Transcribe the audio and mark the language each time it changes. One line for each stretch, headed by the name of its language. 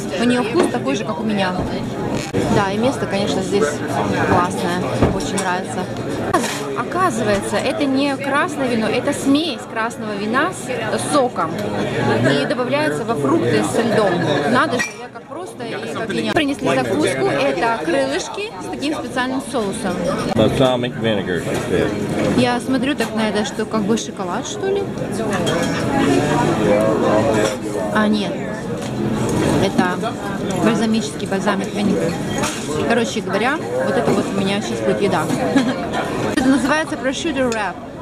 Russian: У нее вкус такой же, как у меня. Да, и место, конечно, здесь классное. Очень нравится. Оказывается, это не красное вино, это смесь красного вина с соком. И добавляется во фрукты со льдом. Надо же, я как просто и как меня. Принесли закуску, это крылышки с таким специальным соусом.
English: Balsamic vinegar, she said.
Russian: Я смотрю так на это, что как бы шоколад, что ли? А, нет. Это бальзамический бальзамик винегр. Короче говоря, вот это вот у меня сейчас будет еда. Это называется prosciutto wrap.